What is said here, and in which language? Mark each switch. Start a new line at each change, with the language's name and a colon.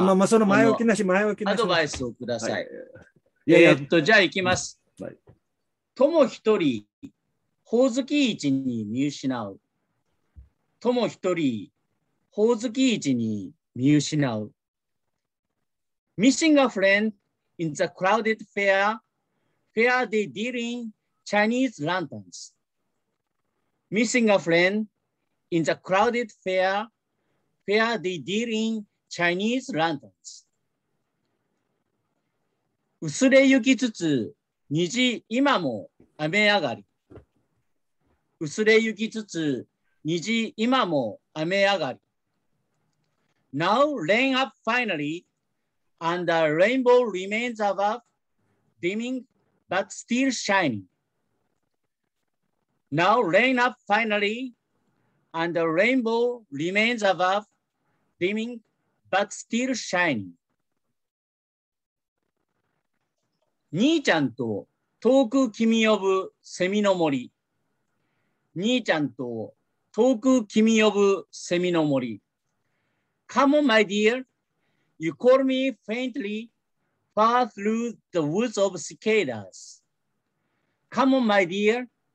Japanese: まあまあその前置きなし、前置きなし。アドバイスをください。はい、じゃあ行きます。はい、友一人、ほおずき一に見失う。友一人、ほおずき一に見失う。
English: Missing a friend in the crowded fair, fair they deal in Chinese lanterns. Missing a friend in the crowded fair, fair they deal in Chinese lanterns.
Japanese: 薄れゆきつつ、虹今も雨上がり。薄れゆきつつ、虹今も雨上がり。
English: Now rain up finally, and the rainbow remains above, dimming but still shining.Now rain up finally, and the rainbow remains above, dimming but still shining.
Japanese: 兄ちゃんと遠く君呼ぶセミの森。兄ちゃんと遠く君呼ぶセミの森。
English: Come on, my dear. You call me faintly far through the woods of cicadas. Come on, my dear.